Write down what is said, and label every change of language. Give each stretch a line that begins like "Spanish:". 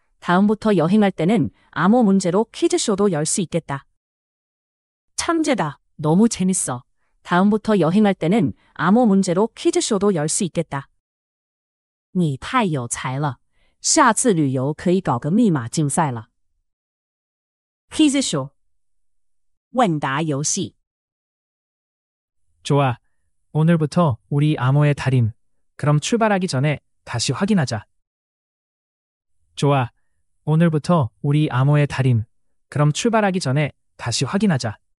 Korean: 다음부터 여행할 때는 암호 문제로 퀴즈쇼도 열 수 있겠다. 천재다. 너무 재밌어. 다음부터 여행할 때는 암호 문제로 퀴즈쇼도 열 수 있겠다.
Chinese: 你太有才了下次旅游可以搞个密码竞赛了 퀴즈쇼 问答游戏
Korean: 좋아. 오늘부터 우리 암호의 달인. 그럼 출발하기 전에 다시 확인하자. 좋아. 오늘부터 우리 암호의 달인. 그럼 출발하기 전에 다시 확인하자.